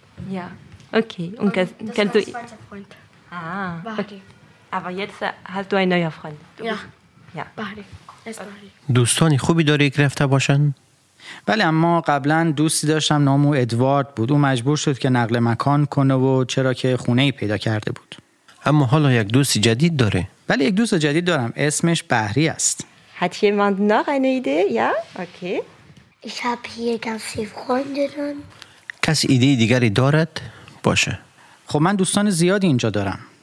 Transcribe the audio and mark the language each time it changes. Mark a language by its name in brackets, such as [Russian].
[German] Ja, okay. Und kannst du das war mein zweiter Freund. Bahri. Aber jetzt hast du einen neuen Freund. Ja. Bahri. Es ist Bahri. [Persian] دوستانی خوبی داری گرفته باشن؟ بله اما قبلا دوستی داشتم نام او ادوارد بود. او مجبور شد که نقل مکان کنه و چرا که خونه ای پیدا کرده بود. اما حالا یک دوست جدید داره. بله یک دوست جدید دارم. اسمش بهری است. [German] Hat jemand noch eine Idee? Ja? Okay. Ich habe hier ganz viele Freunde. [Persian] کس ایده دیگری دارد؟ باشه. خب من دوستان زیادی اینجا دارم.